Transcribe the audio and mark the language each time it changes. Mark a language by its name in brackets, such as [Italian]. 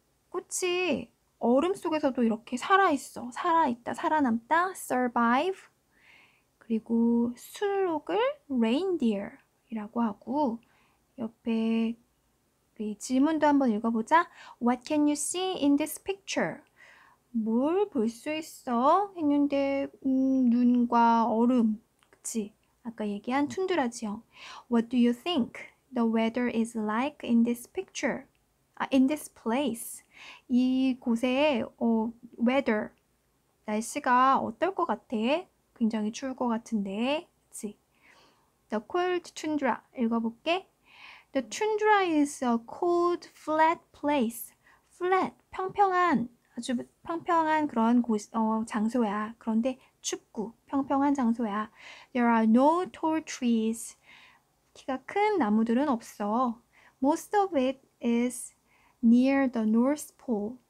[Korean] 꽃이 얼음 속에서도 이렇게 살아있어. 살아있다, 살아남다. survive. 그리고 순록을 reindeer이라고 하고 옆에 질문도 한번 읽어보자. [English] What can you see in this picture? [Korean] 뭘볼수 있어? 했는데 눈과 얼음, 그치? 아까 얘기한 툰드라 지형. [English] What do you think the weather is like in this picture? 아, in this place. [Korean] 이곳에 weather 날씨가 어떨 것 같아? 굉장히 추울 것 같은데, 그치? [English] The cold tundra [Korean] 읽어볼게. [English] The tundra is a cold, flat place. [Korean] Flat, 평평한, 아주 평평한 그런 곳, 장소야. 그런데 춥고 평평한 장소야. [English] There are no tall trees. [Korean] 키가 큰 나무들은 없어. [English] Most of it is near the North Pole.